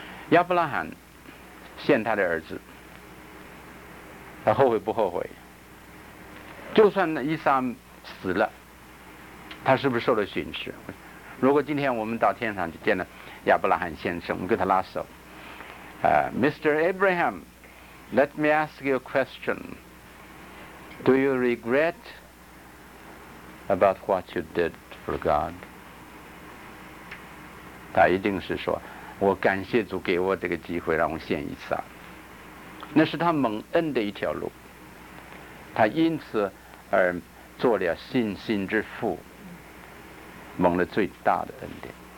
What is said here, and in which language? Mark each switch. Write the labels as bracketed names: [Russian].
[Chinese] 亚伯拉罕献他的儿子，他后悔不后悔？就算伊撒死了，他是不是受了损失？如果今天我们到天上去见了亚伯拉罕先生，我们跟他拉手，Mr. [English] Abraham， let me ask you a question， do you regret about what you did for God？ [Chinese] 他一定是说，我感谢主给我这个机会让我献以撒，那是他蒙恩的一条路，他因此而做了信心之父，蒙了最大的恩典。